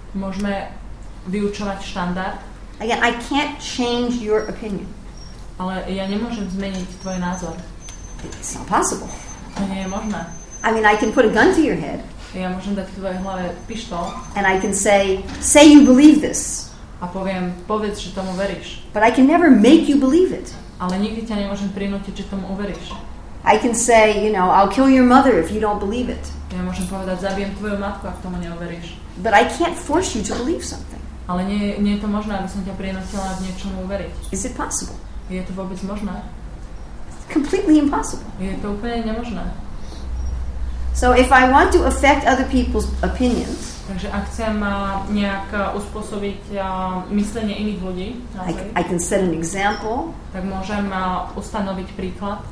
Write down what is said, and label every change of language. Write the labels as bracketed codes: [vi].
[sk] Môžeme vyučovať štandard. [en] Again, I can't change your opinion. [sk] Ale ja nemôžem zmeniť tvoj názor. [en] It's not possible. [sk] To nie je možné. [en] I mean, I can put a gun to your head. [sk] Ja môžem dať tvojej hlave pištol. [en] And I can say you believe this. [sk] A poviem, povedz, že tomu veríš. [en] But I can never make you believe it. [sk] Ale nikdy ťa nemôžem prinútiť, že tomu uveríš. [en] I can say, you know, I'll kill your mother if you don't believe it. [sk] Ja môžem povedať, zabijem tvoju matku, ak tomu neuveríš. [en] But I can't force you to believe something. [sk] Ale nie je to možné, aby som ťa prinútila v niečomu uveriť. [en] Is it possible? [sk] Je to vôbec možné? [en] Completely impossible. [sk] Je to úplne nemožné. [en] So if I want to affect other people's opinions, [sk] takže ak chcem nejak uspôsobiť myslenie iných ľudí, [en] I can set an example, [sk] tak môžem ustanoviť príklad,